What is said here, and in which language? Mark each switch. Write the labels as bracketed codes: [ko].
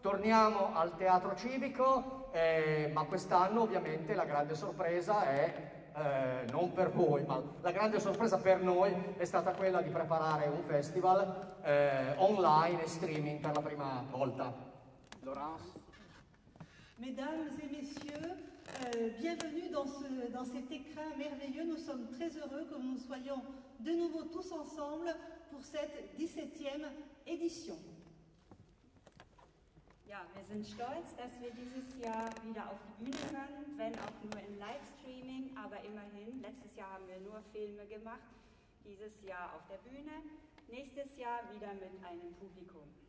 [it] Torniamo al Teatro Civico, ma quest'anno ovviamente la grande sorpresa è, non per voi, ma la grande sorpresa per noi è stata quella di preparare un festival online e streaming per la prima volta. Laurence. [fr] Mesdames et messieurs, bienvenue dans cet écran merveilleux. Nous sommes très heureux que nous soyons de nouveau tous ensemble pour cette 17e édition. [de] Ja, wir sind stolz, dass wir dieses Jahr wieder auf die Bühne können, wenn auch nur im Livestreaming, aber immerhin. Letztes Jahr haben wir nur Filme gemacht, dieses Jahr auf der Bühne, nächstes Jahr wieder mit einem Publikum.